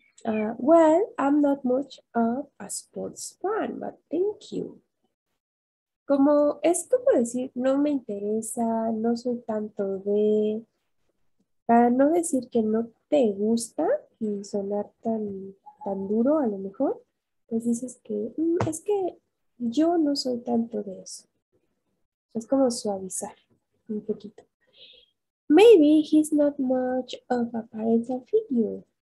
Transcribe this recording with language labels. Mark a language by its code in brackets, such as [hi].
[en] Well, I'm not much of a sports fan, but thank you. [es] Como, es como decir, no me interesa, no soy tanto de. Para no decir que no te gusta y sonar tan duro, a lo mejor, pues dices que es que yo no soy tanto de eso. Es como suavizar un poquito. [en] Maybe he's not much of a parental figure.